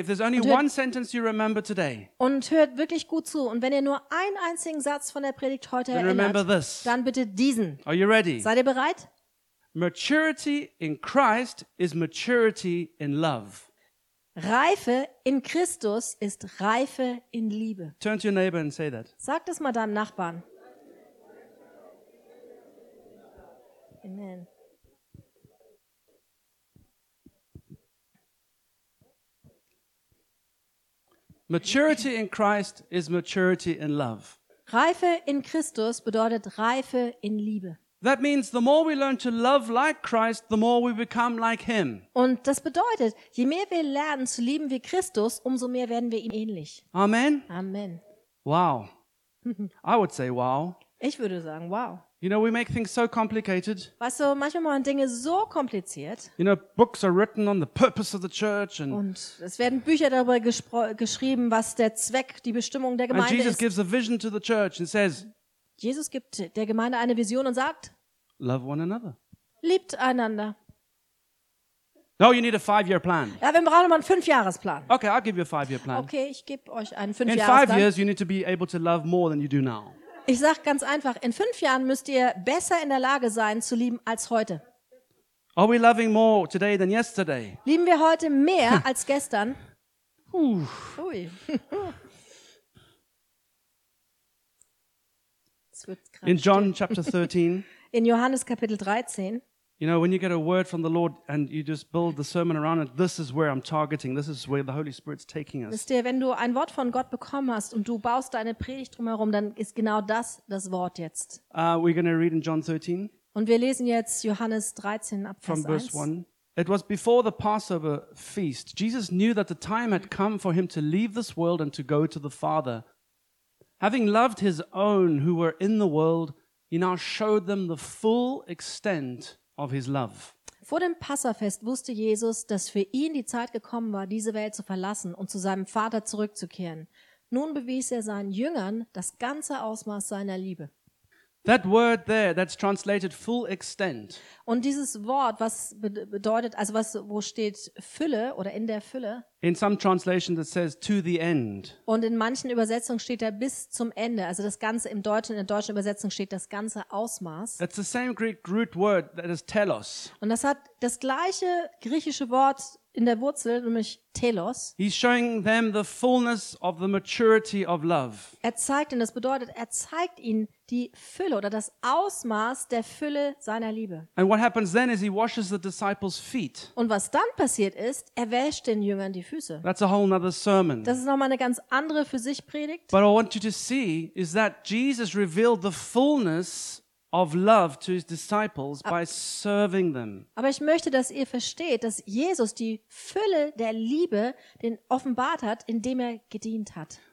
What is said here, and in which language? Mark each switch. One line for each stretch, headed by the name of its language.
English: If there's only one sentence you remember today.
German: Und hört wirklich gut zu. Und wenn ihr nur einen einzigen Satz von der Predigt heute erinnert,
English: remember this.
German: Dann bitte diesen.
English: Are you ready?
German: Seid ihr bereit?
English: Maturity in Christ is maturity in love.
German: Reife in Christus ist Reife in Liebe.
English: Turn to your neighbor and say that.
German: Sag das mal deinem Nachbarn.
English: Amen. Maturity in Christ is maturity in love.
German: Reife in Christus bedeutet Reife in Liebe.
English: That means the more we learn to love like Christ, the more we become like him.
German: Und das bedeutet, je mehr wir lernen zu lieben wie Christus, umso mehr werden wir ihm ähnlich.
English: Amen.
German: Amen.
English: Wow. I would say wow.
German: Ich würde sagen, wow.
English: You know, we make things so complicated.
German: Weißt du, manchmal machen Dinge so kompliziert.
English: You know, books are written on the purpose of the church and
German: und es werden Bücher darüber geschrieben, was der Zweck, die Bestimmung der Gemeinde
English: and Jesus
German: ist.
English: Gives a vision to the church and says,
German: Jesus gibt der Gemeinde eine Vision und sagt,
English: love one another.
German: Liebt einander.
English: No, you need a 5-year plan.
German: Ja, wir brauchen mal einen 5-Jahres Plan.
English: Okay, I'll give you a 5-year plan.
German: Okay, ich gebe euch einen 5-Jahres
English: Plan. In 5 years you need to be able to love more than you do now.
German: Ich sag ganz einfach, in 5 Jahren müsst ihr besser in der Lage sein zu lieben als heute.
English: Are we loving more today than yesterday?
German: Lieben wir heute mehr als gestern? Ui.
English: In John chapter 13.
German: In Johannes Kapitel 13.
English: You know, when you get a word from the Lord and you just build the sermon around it, this is where I'm targeting. This is where the Holy Spirit's taking us.
German: Wisst ihr, wenn du ein Wort von Gott bekommen hast und du baust deine Predigt drumherum, dann ist genau das das Wort jetzt.
English: We're going to read in John 13.
German: Und wir lesen jetzt Johannes 13 ab Vers 1.
English: From verse 1. It was before the Passover feast. Jesus knew that the time had come for him to leave this world and to go to the Father. Having loved his own who were in the world, he now showed them the full extent of his love.
German: Vor dem Passafest wusste Jesus, dass für ihn die Zeit gekommen war, diese Welt zu verlassen und zu seinem Vater zurückzukehren. Nun bewies er seinen Jüngern das ganze Ausmaß seiner Liebe.
English: That word there, that's translated full extent.
German: Und dieses Wort, was bedeutet, also was wo steht Fülle oder in der Fülle?
English: In some translations it says to the end.
German: Und in manchen Übersetzungen steht da bis zum Ende, also das ganze im Deutschen, in der deutschen Übersetzung steht das ganze Ausmaß.
English: It's the same Greek root word that is telos.
German: Und das hat das gleiche griechische Wort in der Wurzel, nämlich telos.
English: He's showing them the fullness of the maturity of love.
German: Er zeigt ihnen, das bedeutet, er zeigt ihnen die Fülle oder das Ausmaß der Fülle seiner Liebe.
English: And what happens then is he washes the disciples' feet.
German: Und was dann passiert ist, er wäscht den Jüngern die Füße.
English: That's a whole another sermon.
German: Das ist nochmal eine ganz andere für sich Predigt.
English: But what I want you to see is that Jesus revealed the fullness of love to his disciples by serving them. Aber ich möchte, dass ihr versteht, dass Jesus die Fülle der Liebe den offenbart hat, indem er gedient hat.